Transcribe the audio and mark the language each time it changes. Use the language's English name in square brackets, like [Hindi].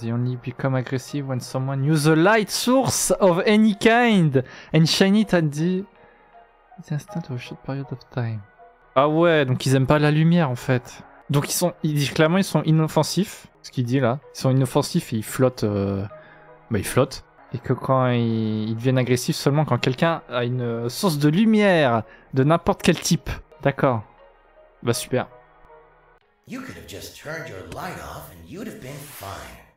[English] They only become aggressive when someone use a light source of any kind. And shine it at the instant of a short period of time. [French] Ah ouais, donc ils aiment pas la lumière, en fait. Donc ils sont, ils disent clairement ils sont inoffensifs, ce qu'il dit là. Ils sont inoffensifs et ils flottent, bah ils flottent. Et que quand ils deviennent agressifs seulement quand quelqu'un a une source de lumière de n'importe quel type. D'accord. Bah super. [English] You could have just turned your light off and you'd have been fine.